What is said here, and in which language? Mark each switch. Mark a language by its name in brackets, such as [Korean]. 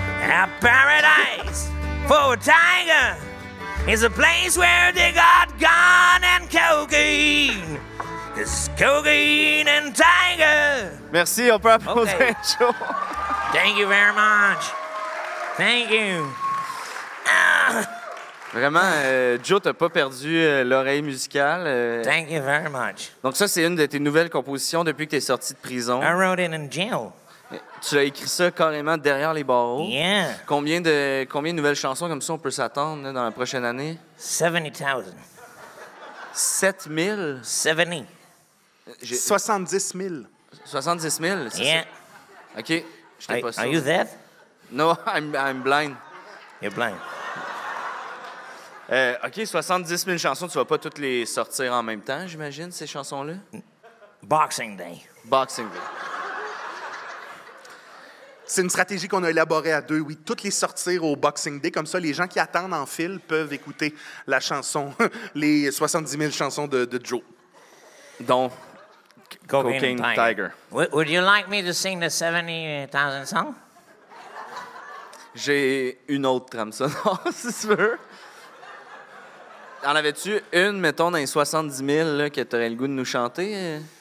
[English] A paradise for a tiger is a place where they got gun and cocaine. It's cocaine and tiger. [French] Merci, on peut applaudir. [English] Okay. Joe. Thank you very much. Thank you. [French] Vraiment, Joe, t'as pas perdu l'oreille musicale. [English] Thank you very much. [French] Donc ça, c'est une de tes nouvelles compositions depuis que t'es sorti de prison. [English] I wrote it in jail. [French] Tu as écrit ça carrément derrière les barreaux. [English] Yeah. [French] Combien de nouvelles chansons comme ça on peut s'attendre dans la prochaine année? [English] 70,000. [French] 7,000? [English] 70. 70,000. [French] 70,000? Yeah. OK. J'étais pas sûr. [English] Are you deaf? No, I'm blind. You're blind. [French] OK, 70 000 chansons, tu vas pas toutes les sortir en même temps, j'imagine, ces chansons-là? [English] Boxing Day. Boxing Day. [French] C'est une stratégie qu'on a élaborée à deux, oui. Toutes les sortir au Boxing Day, comme ça, les gens qui attendent en file peuvent écouter la chanson, les 70 000 chansons de Joe. Dont Cocaine Tiger. [English] Would you like me to sing the 70,000 song? [French] J'ai une autre trame sonore, si tu veux. En avais-tu une, mettons, dans les 70 000 là, que tu aurais le goût de nous chanter?